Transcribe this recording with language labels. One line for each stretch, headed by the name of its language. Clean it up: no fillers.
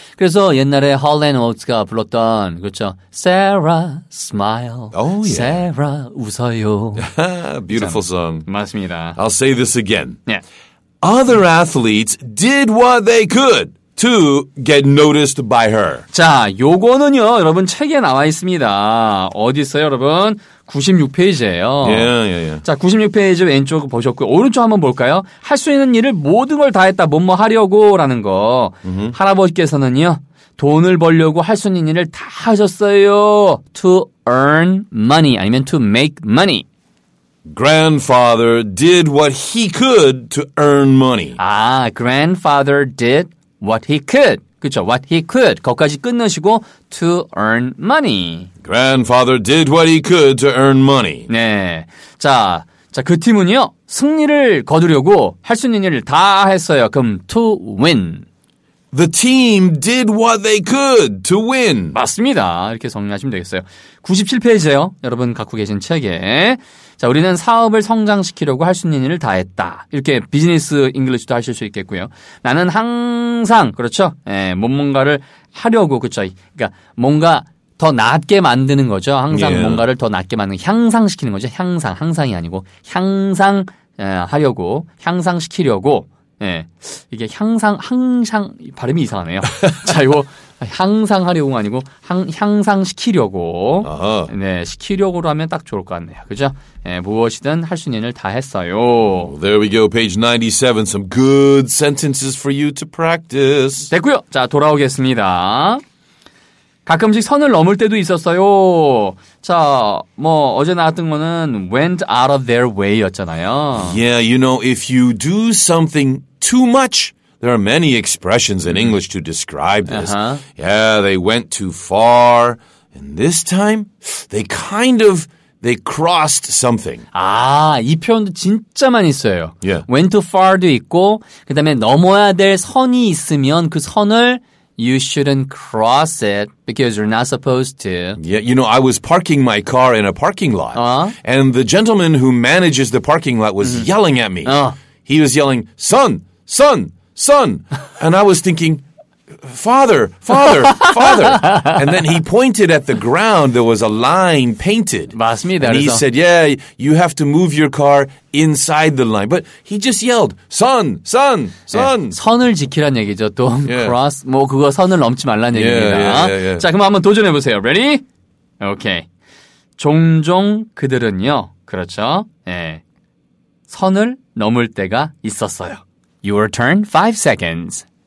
Korean: 그래서 옛날에 Hall and Oates가 불렀던 그렇죠.
English: Sarah, smile. Oh, yeah.
Korean: Sarah, 웃어요.
English: Beautiful 자, song.
Korean: 맞습니다.
English: I'll say this again. Yeah. Other athletes did what they could to get noticed by her.
Korean: 자, 요거는요, 여러분 책에 나와 있습니다. 어디 있어요, 여러분? 96페이지예요.
English: Yeah, yeah, yeah.
Korean: 자, 96페이지 왼쪽 보셨고요. 오른쪽 한번 볼까요? 할 수 있는 일을 모든 걸 다 했다. 뭐뭐 하려고라는 거. Mm-hmm. 할아버지께서는요, 돈을 벌려고 할 수 있는 일을 다 하셨어요.
English: To earn money 아니면 to make money. Grandfather did what he could to earn money. 아, grandfather did what he could.
Korean: 그렇죠.
English: What he could.
Korean: 거기까지 끝내시고
English: to earn money. Grandfather did what he could to earn money.
Korean: 네. 자, 그 팀은요. 승리를 거두려고 할 수 있는 일을 다 했어요.
English: 그럼 to win. The team did what they could to win.
Korean: 맞습니다. 이렇게 정리하시면 되겠어요. 97페이지예요. 여러분 갖고 계신 책에. 자, 우리는 사업을 성장시키려고 할 수 있는 일을 다 했다. 이렇게 비즈니스 잉글리시도 하실 수 있겠고요. 나는 항상, 그렇죠? 예, 뭔가를 하려고, 그렇죠? 그러니까 뭔가 더 낮게 만드는 거죠. 항상
English: yeah.
Korean: 뭔가를 더 낮게 만드는, 향상시키는 거죠. 향상, 항상이 아니고 향상 하려고, 향상시키려고. 예, 이게 향상, 항상, 발음이 이상하네요. 자, 이거 향상하려고 아니고 향상시키려고. 네, 시키려고 하면 딱 좋을 것 같네요. 그죠? 예, 무엇이든 할 수 있는 일을 다 했어요.
English: Oh, there we go. Page 97. Some good sentences for you to practice.
Korean: 됐고요. 자, 돌아오겠습니다. 가끔씩 선을 넘을 때도 있었어요. 자, 뭐 어제 나왔던 거는
English: went out of their way
Korean: 였잖아요.
English: Yeah, you know, if you do something too much, there are many expressions in English to describe this. Uh-huh. Yeah, they went too far. And this time, they crossed something.
Korean: 아, 이 표현도 진짜 많이 써요.
English: Yeah. Went too far도 있고,
Korean: 그 다음에 넘어야 될 선이 있으면 그 선을
English: You shouldn't cross it because you're not supposed to. Yeah, you know, I was parking my car in a parking lot. Uh-huh. And the gentleman who manages the parking lot was yelling at me. He was yelling, son, son, son. And I was thinking, father, father, father. And then he pointed at the ground. There was a line painted.
Korean: 맞습니다.
English: And he said, yeah, you have to move your car inside the line. But he just yelled, son, son, son.
Korean: 네, 선을 지키란 얘기죠.
English: Don't cross.
Korean: 뭐 그거 선을 넘지 말란 얘기입니다.
English: Yeah, yeah, yeah, yeah.
Korean: 자, 그럼 한번 도전해보세요.
English: Ready? Okay.
Korean: 종종 그들은요. 그렇죠. 네. 선을 넘을 때가 있었어요.
English: Your turn, 5 seconds.